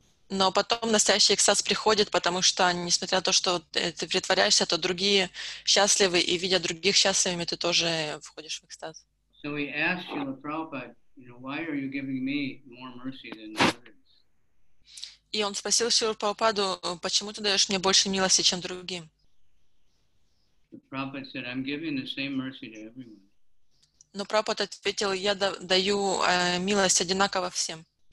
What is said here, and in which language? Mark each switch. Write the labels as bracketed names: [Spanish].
[Russian] Но потом настоящий экстаз приходит, потому что, несмотря на то, что ты притворяешься, то другие счастливы, и видя других счастливыми, ты тоже входишь в экстаз. [English] So we asked Srila Prabhupada, you know, why are you giving me more mercy than others? [Russian] И он спросил Шрилу Прабхупаду, почему ты даешь мне больше милости, чем другим? Но Прабхупад ответил, я даю милость одинаково всем.